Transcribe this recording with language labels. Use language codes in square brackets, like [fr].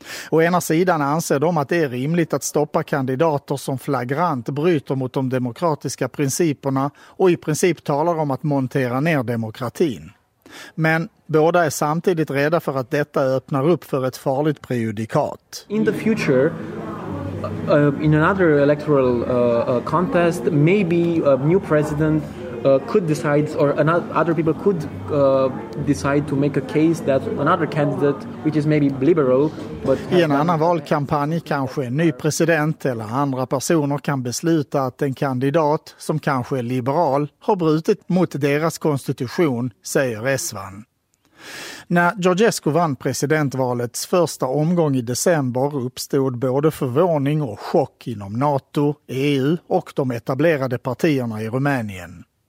[sv] Å ena sidan anser de att det är rimligt att stoppa kandidater som flagrant bryter mot de demokratiska principerna och i princip talar om att montera ner demokratin. Men båda är samtidigt rädda för att detta öppnar upp för ett farligt prejudikat. [en] In the future, in another electoral contest, maybe a new president could decide, or other people could decide to make a case that another candidate, which is maybe liberal, but [sv] i en annan valkampanj kanske en ny president eller andra personer kan besluta att en kandidat som kanske är liberal har brutit mot deras konstitution, säger Rezwan. När Georgescu vann presidentvalets första omgång i december uppstod både förvåning och chock inom NATO, EU och de etablerade partierna i Rumänien.